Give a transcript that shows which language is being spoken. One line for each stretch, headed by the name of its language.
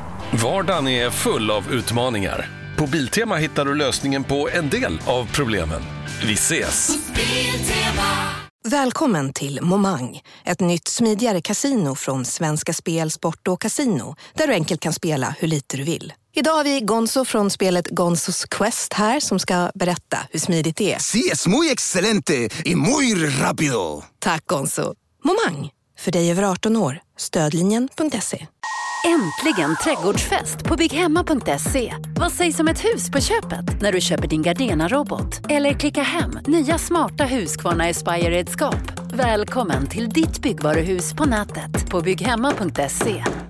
Swedish: Vardagen är full av utmaningar. På Biltema hittar du lösningen på en del av problemen. Vi ses. Biltema. Välkommen till Momang. Ett nytt smidigare kasino från Svenska Spel, Sport och Casino. Där du enkelt kan spela hur lite du vill. Idag har vi Gonzo från spelet Gonzos Quest här som ska berätta hur smidigt det är.
Spanish: Sí, es muy excelente y muy rápido.
Swedish: Tack, Gonzo. Momang, för dig över 18 år. Stödlinjen.se. Äntligen trädgårdsfest på bygghemma.se. Vad sägs om ett hus på köpet när du köper din Gardena-robot? Eller klicka hem nya smarta Husqvarna Aspire-redskap. Välkommen till ditt byggvaruhus på nätet på bygghemma.se.